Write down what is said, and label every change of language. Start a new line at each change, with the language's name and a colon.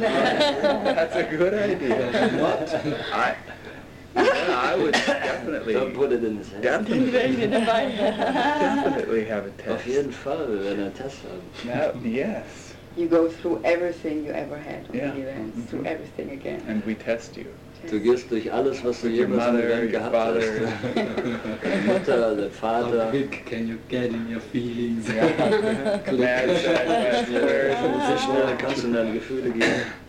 English: That's a good idea. What? I would definitely... Don't put it in his head. Definitely, definitely have a test.
German: Auf jeden Fall, wenn er Test hat.
English: Yes. You go through everything you ever had on yeah. the events, mm-hmm. through everything again. And we test you.
German: Du gehst durch alles, was du jemals im Event gehabt
English: father.
German: Hast. Deine Mutter, dein Vater.
English: How quick can you get in your feelings?
German: So schnell kannst du in deine Gefühle gehen.